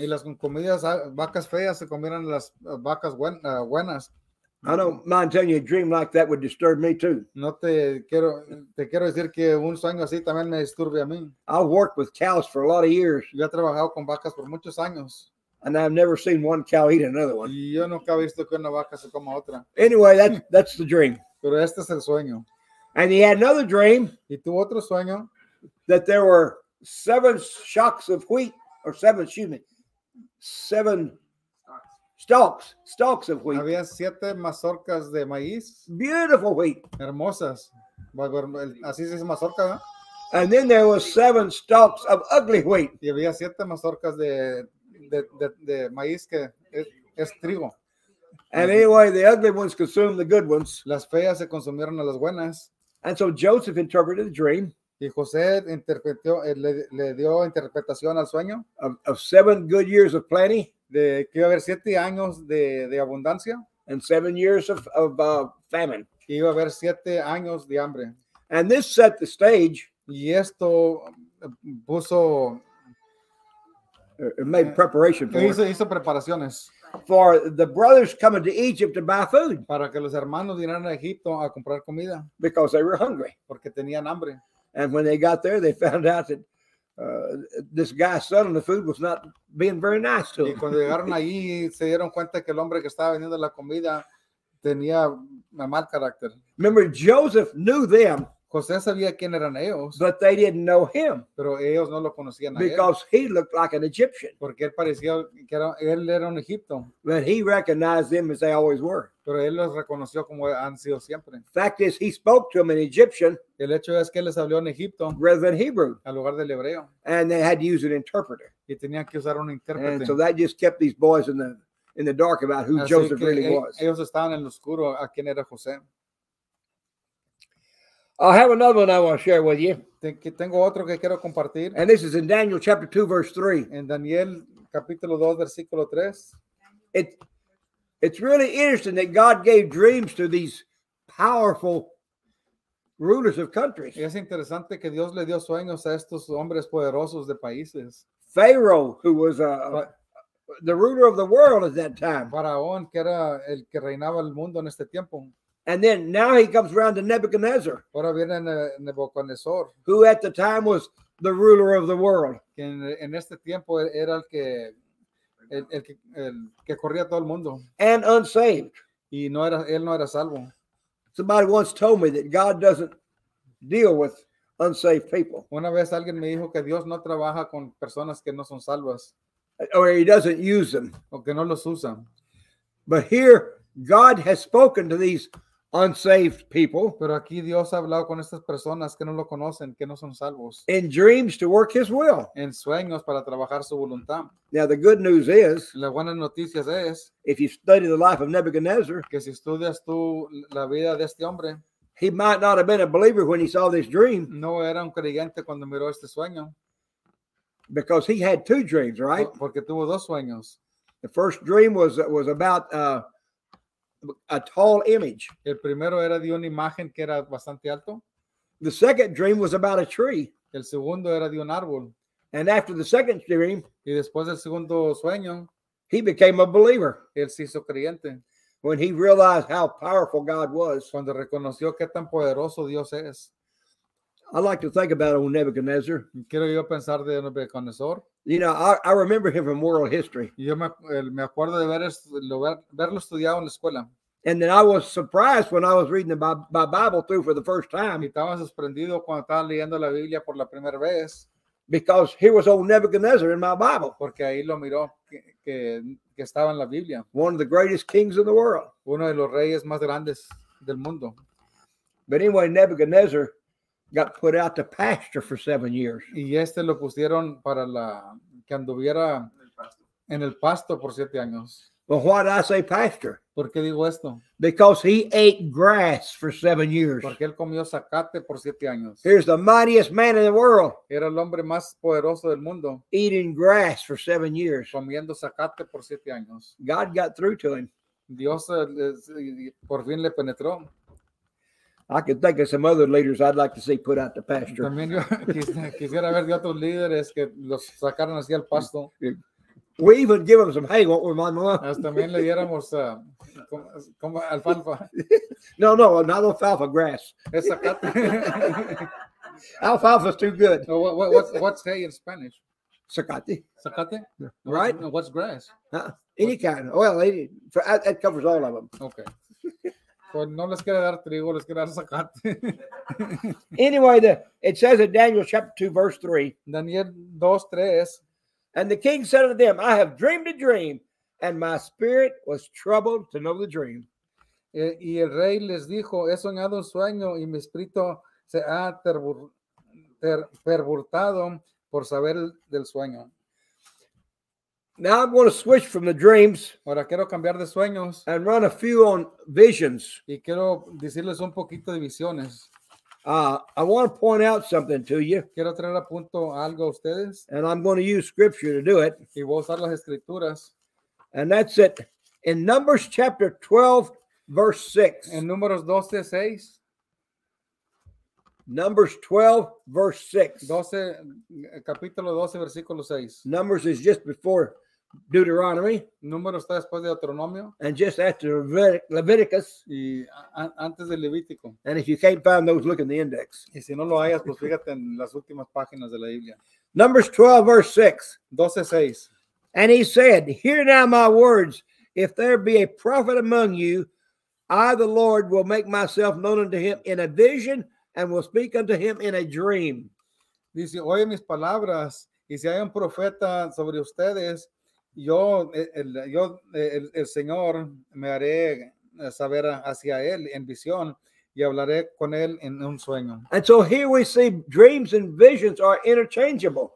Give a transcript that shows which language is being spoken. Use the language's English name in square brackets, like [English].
[Spanish] Y las comidas vacas feas se comieron las vacas buenas. [English] I don't mind telling you, a dream like that would disturb me too. [Spanish] No te quiero decir que un sueño así también me disturbe a mí. [English] I've worked with cows for a lot of years. [Spanish] Yo he trabajado con vacas por muchos años. [English] And I've never seen one cow eat another one. [Spanish] Yo nunca he visto que una vaca se coma otra. [English] Anyway, that's the dream. [Spanish] Pero este es el sueño. [English] And he had another dream. [Spanish] Y tuvo otro sueño. [English] That there were seven shocks of wheat, or seven, excuse me, seven stalks of wheat. [Spanish] Había siete mazorcas de maíz. [English] Beautiful wheat. [Spanish] Hermosas. Así se dice mazorca, ¿no? [English] And then there were seven stalks of ugly wheat. [Spanish] Y había siete mazorcas de maíz que es trigo. [English] And anyway, the ugly ones consumed the good ones. [Spanish] Las feas se consumieron a las buenas. [English] And so Joseph interpreted the dream. [Spanish] Y José le dio interpretación al sueño. [English] Of seven good years of plenty. [Spanish] De que iba a haber siete años de abundancia. [English] And 7 years of famine. [Spanish] Y iba a haber siete años de hambre. [English] And this set the stage. [Spanish] Y esto puso... [English] made preparation for. [Spanish] Hizo preparaciones. [English] For the brothers coming to Egypt to buy food. [Spanish] Para que los hermanos vinieran a Egipto a comprar comida. [English] Because they were hungry. [Spanish] Porque tenían hambre. [English] And when they got there, they found out that this guy's selling the food was not being very nice to them. [Spanish] Y cuando llegaron allí, se dieron cuenta que el hombre que estaba vendiendo la comida tenía un mal carácter. [English] Remember, Joseph knew them. [Spanish] José sabía quién eran ellos, [English] but they didn't know him. [Spanish] Pero ellos no lo conocían a [English] because [Spanish] él. [English] He looked like an Egyptian. [Spanish] Porque él parecía que él era un Egipto. [English] But he recognized them as they always were. [Spanish] Pero él los reconoció como han sido siempre. [English] Fact is, he spoke to them in Egyptian. [Spanish] El hecho es que él les habló en Egipto. [English] Rather than Hebrew. [Spanish] Al lugar del hebreo. [English] And they had to use an interpreter. [Spanish] Y tenían que usar un intérprete. [English] And so that just kept these boys in the dark about who [Spanish] así [English] Joseph [Spanish] que [English] really was. [Spanish] Ellos estaban en lo oscuro a quién era José. [English] I have another one I want to share with you. [Spanish] Tengo otro que quiero compartir. [English] And this is in Daniel chapter 2, verse 3. [Spanish] En Daniel, capítulo 2, versículo 3. [English] It's really interesting that God gave dreams to these powerful rulers of countries. [Spanish] Es interesante que Dios le dio sueños a estos hombres poderosos de países. [English] Pharaoh, who was the ruler of the world at that time. [Spanish] Faraón, que era el que reinaba el mundo en este tiempo. [English] And then now he comes around to Nebuchadnezzar. [Spanish] Ahora viene Nebuchadnezzar. [English] Who at the time was the ruler of the world. [Spanish] En este tiempo era el que corría todo el mundo. [English] And unsaved. [Spanish] Y no era, él no era salvo. [English] Somebody once told me that God doesn't deal with unsaved people. [Spanish] Una vez alguien me dijo que Dios no trabaja con personas que no son salvas. [English] Or he doesn't use them. [Spanish] O que no los usa. [English] But here, God has spoken to these unsaved people. [Spanish] Pero aquí Dios ha hablado con estas personas que no lo conocen, que no son salvos. [English] In dreams to work His will. [Spanish] En sueños para trabajar su voluntad. [English] Now the good news is. [Spanish] La buena noticia es. [English] If you study the life of Nebuchadnezzar. [Spanish] Que si estudias tú la vida de este hombre. [English] He might not have been a believer when he saw this dream. [Spanish] No era un creyente cuando miró este sueño. [English] Because he had two dreams, right? [Spanish] Porque tuvo dos sueños. [English] The first dream was about a tall image. [Spanish] El primero era de una imagen que era bastante alto. [English] The second dream was about a tree. [Spanish] El segundo era de un árbol. [English] And after the second dream, [Spanish] y después del segundo sueño, [English] he became a believer. [Spanish] Él se hizo creyente. [English] When he realized how powerful God was. [Spanish] Cuando reconoció qué tan poderoso Dios es. [English] I like to think about old Nebuchadnezzar. [Spanish] Quiero yo pensar de Nebuchadnezzar. [English] You know, I remember him from world history. [Spanish] Yo me acuerdo de verlo estudiado en la escuela. [English] And then I was surprised when I was reading my Bible through for the first time. [Spanish] Y estaba sorprendido cuando estaba leyendo la Biblia por la primera vez. [English] Because here was old Nebuchadnezzar in my Bible. [Spanish] Porque ahí lo miró que estaba en la Biblia. [English] One of the greatest kings in the world. [Spanish] Uno de los reyes más grandes del mundo. [English] But anyway, Nebuchadnezzar got put out to pasture for 7 years. [Spanish] Y este lo pusieron para la que anduviera en el pasto por 7 años. [English] Well, why did I say pasture? [Spanish] ¿Por qué digo esto? [English] Because he ate grass for 7 years. [Spanish] Porque él comió zacate por 7 años. [English] Here's the mightiest man in the world. [Spanish] Era el hombre más poderoso del mundo. [English] Eating grass for 7 years. [Spanish] Comiendo zacate por 7 años. [English] God got through to him. [Spanish] Dios por fin le penetró. [English] I could think of some other leaders I'd like to see put out the pasture. [Spanish] También yo quisiera ver de otros líderes que los sacaron así al pasto. [English] We even give them some hay, won't we, my mom? [Spanish] Hasta también le diéramos como alfalfa. [English] No, not alfalfa, grass. [Spanish] Es zacate. [English] Alfalfa's too good. So what's hay in Spanish? [Spanish] Zacate. Zacate? [English] Right. What's grass? Any kind. Well, it covers all of them. Okay. [Spanish] Pues no les quiere dar trigo, les quiere dar zacate. [English] Anyway, it says in Daniel chapter 2, verse 3. [Spanish] Daniel 2, 3. [English] And the king said unto them, I have dreamed a dream, and my spirit was troubled to know the dream. [Spanish] Y el rey les dijo, he soñado un sueño, y mi espíritu se ha perburtado por saber del sueño. [English] Now I'm going to switch from the dreams. [Spanish] Ahora quiero cambiar de sueños. [English] And run a few on visions. [Spanish] Y quiero decirles un poquito de visiones. [English] I want to point out something to you. [Spanish] Quiero traer a punto algo a ustedes. [English] And I'm going to use scripture to do it. [Spanish] Y voy a usar las escrituras. [English] And that's it. In Numbers chapter 12, verse 6. [Spanish] En Números 12, 6. [English] Numbers 12, verse 6. [Spanish] 12, capítulo 12, versículo 6. [English] Numbers is just before Deuteronomy. [Spanish] Número está después de Deuteronomio. [English] And just after Leviticus. [Spanish] Y antes de Levítico. [English] And if you can't find those, look in the index. [Spanish] Y si no lo hayas, pues fíjate en las últimas páginas de la Biblia. [English] Numbers 12, verse 6. [Spanish] 12, 6. [English] And he said, hear now my words. If there be a prophet among you, I, the Lord, will make myself known unto him in a vision, and will speak unto him in a dream. [Spanish] Dice, oye mis palabras, y si hay un profeta sobre ustedes, el Señor me haré saber hacia él en visión, y hablaré con él en un sueño. [English] And so here we see dreams and visions are interchangeable.